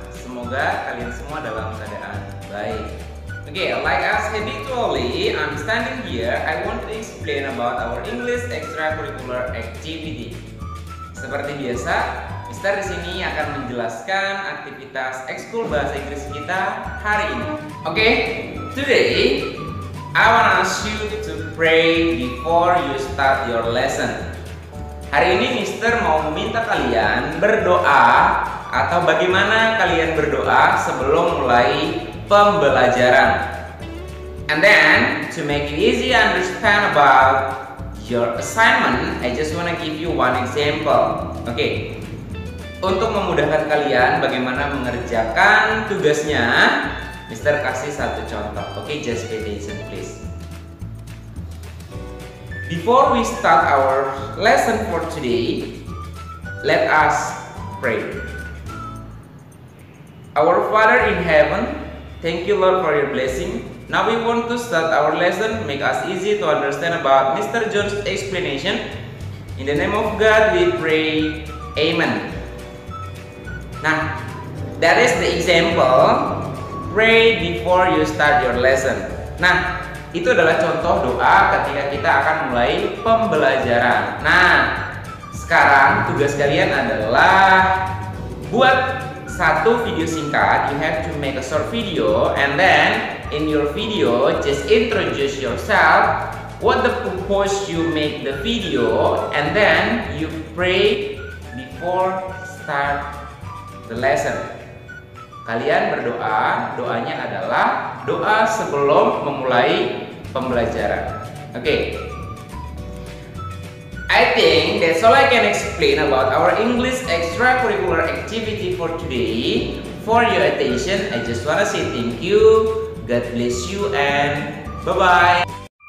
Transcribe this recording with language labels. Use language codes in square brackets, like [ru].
[id] Semoga kalian semua dalam keadaan baik. [en] Okay, like as habitually, I'm standing here. I want to explain about our English extracurricular activity. [id] Seperti biasa, Mister di sini akan menjelaskan aktivitas ekskul bahasa Inggris kita hari ini. [en] Okay, today I want to ask you to pray before you start your lesson. [id] Hari ini Mister mau meminta kalian berdoa atau bagaimana kalian berdoa sebelum mulai pembelajaran. [en] And then to make it easy to understand about your assignment, I just want to give you one example. Okay. [id] Untuk memudahkan kalian bagaimana mengerjakan tugasnya, Mister kasih satu contoh. [en] Okay, just pay attention please. Before we start our lesson for today, let us pray. Our Father in heaven, thank you Lord for your blessing. Now we want to start our lesson, make us easy to understand about Mr. John's explanation. In the name of God, we pray, Amen. Nah, that is the example, pray before you start your lesson. [id] Nah, itu adalah contoh doa ketika kita akan mulai pembelajaran. Nah, sekarang tugas kalian adalah buat satu video singkat. [en] You have to make a short video, and then in your video just introduce yourself, what the purpose you make the video, and then you pray before start the lesson. [id] Kalian berdoa, doanya adalah doa sebelum memulai pembelajaran. [en] Okay. I think that's all I can explain about our English extracurricular activity for today. For your attention, I just wanna say thank you. God bless you and bye-bye.